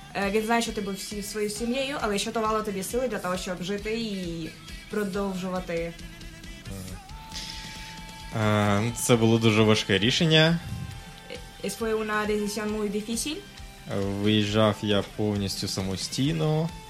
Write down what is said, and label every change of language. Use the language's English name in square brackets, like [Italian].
[Ukrainian] Він знає, що ти був всі своєю сім'єю, але що давало тобі сили для того, щоб жити і продовжувати. Це було дуже важке рішення. [Spanish] Fue una decisión muy difícil. [Ukrainian] Виїжджав я повністю самостійно.